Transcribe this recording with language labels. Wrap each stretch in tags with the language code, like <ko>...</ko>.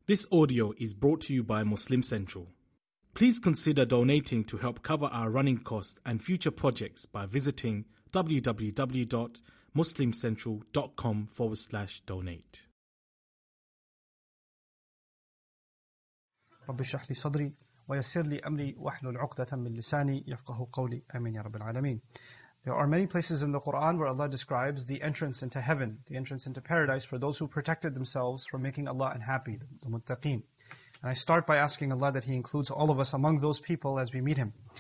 <en>This audio is brought to you by Muslim Central. Please consider donating to help cover our running costs and future projects by visiting www.muslimcentral.com/donate.</en> <ar>رب اشرح لي صدري ويسر لي امري واحلل عقدة من لساني يفقهوا قولي امين يا رب العالمين.</ar> <en>There are many places in the Quran where Allah describes the entrance into heaven, the entrance into paradise for those who protected themselves from making Allah unhappy, the muttaqin. And I start by asking Allah that He includes all of us among those people as we meet Him.</en>